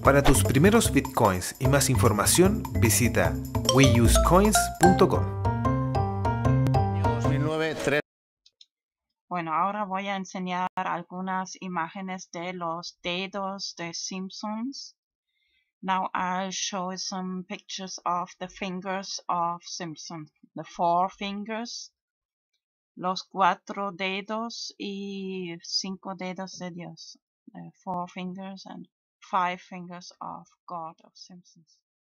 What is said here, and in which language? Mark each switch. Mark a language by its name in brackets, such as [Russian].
[Spanish] Para tus primeros bitcoins y más información, visita weusecoins.com. Bueno, ahora voy a enseñar algunas imágenes de los dedos de Simpsons. [English] Now I'll show some pictures of the fingers of Simpson. The four fingers. [Spanish] Los cuatro dedos y cinco dedos de Dios. [English] The four fingers and five fingers of God of Simpsons.